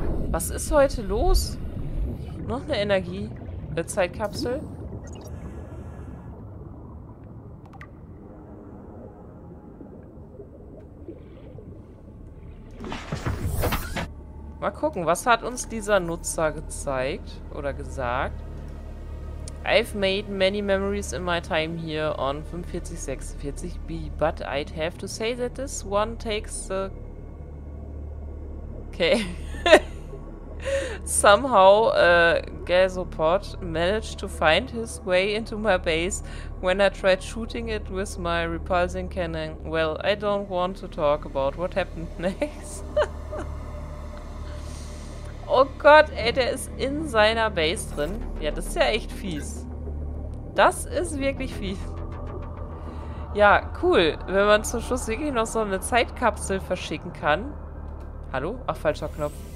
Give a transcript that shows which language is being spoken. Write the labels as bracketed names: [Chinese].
[German] Was ist heute los? Noch eine Energie? Eine Zeitkapsel? Mal gucken, was hat uns dieser Nutzer gezeigt oder gesagt? [English] I've made many memories in my time here on 4546B, but I'd have to say that this one takes the Okay. Somehow, Gasopod managed to find his way into my base when I tried shooting it with my repulsing cannon. Well, I don't want to talk about what happened next. [German] Oh Gott, ey, der ist in seiner Base drin. Ja, das ist ja echt fies. Das ist wirklich fies. Ja, cool. Wenn man zum Schluss wirklich noch so eine Zeitkapsel verschicken kann. Hallo? Ach, falscher Knopf.